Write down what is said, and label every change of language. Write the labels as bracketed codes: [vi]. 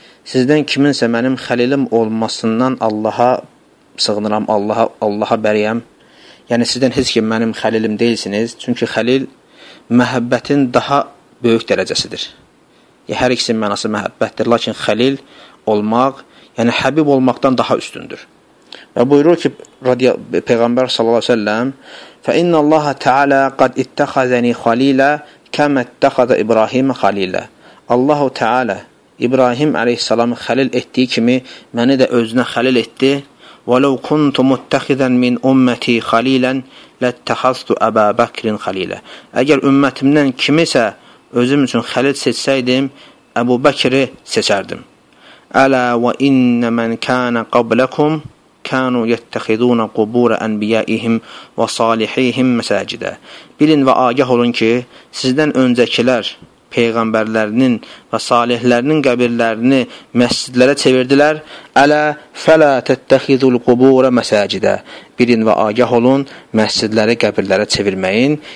[az] Sizdən kiminsə mənim xəlilim olmasından Allaha sığınıram, Allaha bəriyəm. Yəni, sizdən heç kim mənim xəlilim deyilsiniz. Çünki xəlil məhəbbətin daha böyük dərəcəsidir. Yəni, hər ikisinin mənası məhəbbətdir. Lakin xəlil olmaq, yəni həbib olmaqdan daha üstündür. Və buyurur ki, Peyğəmbər sallallahu aleyhi ve sellem, [ar] فإن الله تعالى قد اتخذني خليلا كما اتخذ إبراهيم خليلا. الله تعالى إبراهيم عليه السلام خليل [az] etdiyi kimi məni də özünə xəlil etdi. [ar] ولو كنت متخذا من أمتي خليلا لاتخذت أبا بكر خليلا. [az] Əgər ümmətimdən kimisə özüm üçün xəlil seçsəydim, Əbu Bəkri seçərdim. [ar] ألا وإن من كان قبلكم كانوا يتخذون قبور انبيائهم وصالحيهم مساجدا. [az] Bilin və agah olun ki, sizdən öncəkilər peyğəmbərlərinin və salihlərinin qəbirlərini məscidlərə çevirdilər. [ar] Ələ fələ tətəxizul qubura məsəcidə. [az] Bilin və agah olun, məscidləri qəbirlərə çevirməyin.